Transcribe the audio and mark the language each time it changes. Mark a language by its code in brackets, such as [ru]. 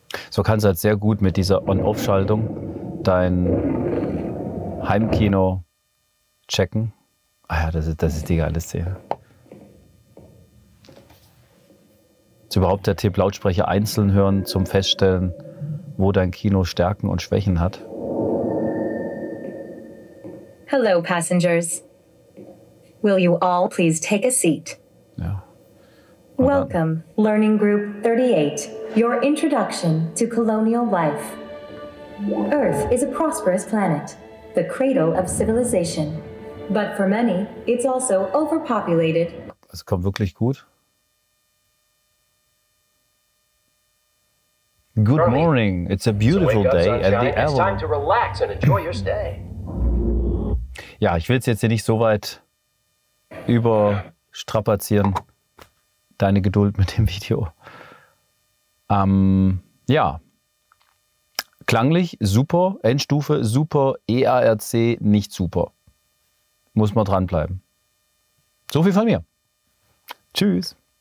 [de] So kannst du halt sehr gut mit dieser On-Off-Schaltung dein Heimkino checken. Ah ja, das ist die geile Szene. Überhaupt der Tipp, Lautsprecher einzeln hören, zum Feststellen, wo dein Kino Stärken und Schwächen hat. [en] Hello, passengers. Will you all please take a seat? [de] Ja. [en] Welcome, Learning Group 38, your introduction to colonial life. Earth is a prosperous planet, the cradle of civilization. But for many, it's also overpopulated. [de] Es kommt wirklich gut. [en] Good morning. It's a beautiful day. It's time to relax and enjoy your stay. [de] Ja, ich will es jetzt hier nicht so weit überstrapazieren. Deine Geduld mit dem Video. Ja. Klanglich super. Endstufe super. EARC nicht super. Muss man dranbleiben. So viel von mir. Tschüss.